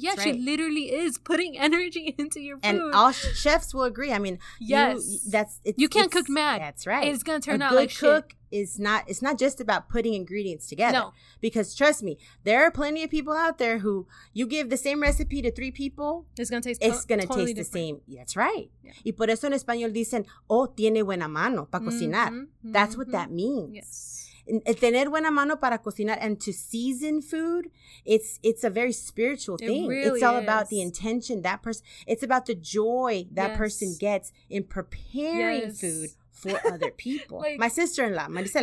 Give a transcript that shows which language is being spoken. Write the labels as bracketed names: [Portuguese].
[English] Yeah, she literally is putting energy into your food. And all chefs will agree. I mean, you can't cook mad. That's right. It's going to turn out like shit. It's not just about putting ingredients together. No. Because trust me, there are plenty of people out there who, you give the same recipe to three people, it's going to taste the same. That's right. Yeah. [Spanish] Y por eso en español dicen, oh, tiene buena mano para cocinar. [English] That's what that means. Yes. [Spanish] Tener buena mano para cocinar [English] and to season food, it's a very spiritual thing. It really it's all is. About the intention that person, it's about the joy that person gets in preparing food for other people. Like, my sister-in-law, Maricela.